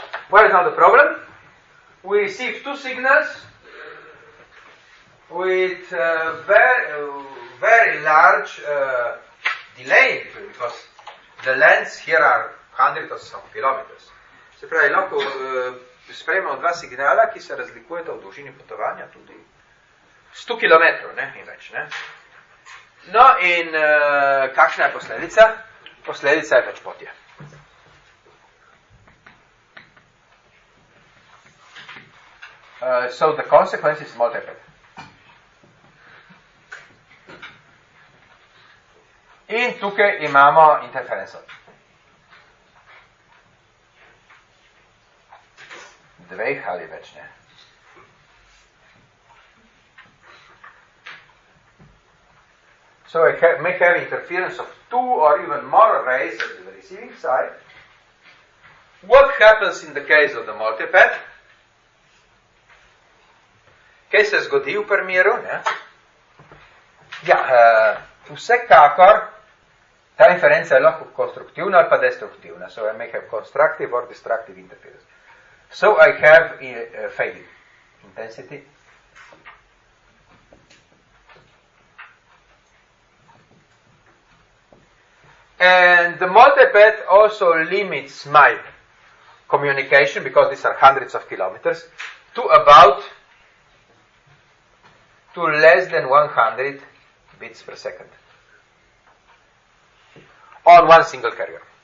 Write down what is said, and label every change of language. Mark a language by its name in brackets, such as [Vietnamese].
[English] What is now the problem? We receive two signals with very large delay, because the lengths here are hundreds of some kilometers. [Slovenian] Se pravi, lahko sprejmemo dva signala, ki se razlikujeta v dolžini potovanja tudi 100 kilometrov, ne, in več, ne. No, in kakšna je posledica? Posledica je večpotje. [English] So the consequence is multiple. [Slovenian] In tukaj imamo interferenco. Dveh ali več ne. [English] So I may have interference of two or even more rays at the receiving side. What happens in the case of the multipath? [Slovenian] Kaj se zgodi v primeru? Ne? Ja, vsekakor Ta inferenca je lahko konstruktivna ali pa destruktivna. [English] So I may have constructive or destructive interference. So I have fading intensity. And the multipath also limits my communication, because these are hundreds of kilometers, to less than 100 bits per second on one single carrier.